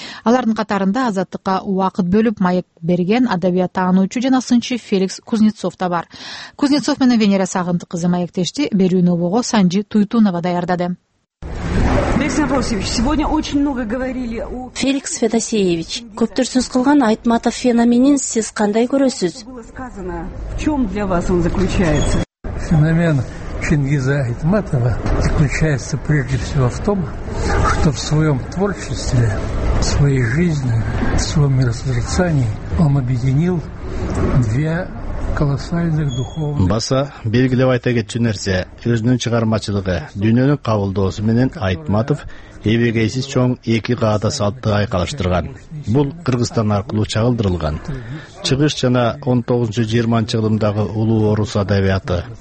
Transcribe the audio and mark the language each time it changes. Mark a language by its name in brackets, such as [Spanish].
[Kyrgyz] Алардын катарында азаттыкка убакыт бөлүп маек берген адабият таануучу жана сынчы Феликс Кузнецов да бар. Кузнецов менен Венера Сагынтык кызы маектешти, берүүнү обого Санжи Туйтунова даярдады. Феликс Федосеевич, көптөр сөз кылган Айтматов феноменин сиз кандай көрөсүз? [Russian] В чём для вас он заключается? Феномен Чингиза Айтматова заключается прежде всего в том, что в своём творчестве, в своей жизни, в своём миросозерцании он объединил две колоссальных духовных... [Kyrgyz] Баса, белгилеп айта кетчү нерсе, өзүнүн чыгармачылыгы, дүйнөнүн кабылдоосу менен Айтматов эбегейсиз чоң эки каада салтты айкалыштырган. Бул Кыргызстан аркылуу чагылдырылган. Чыгыш жана 19-20 кылымдагы улуу орус адабияты.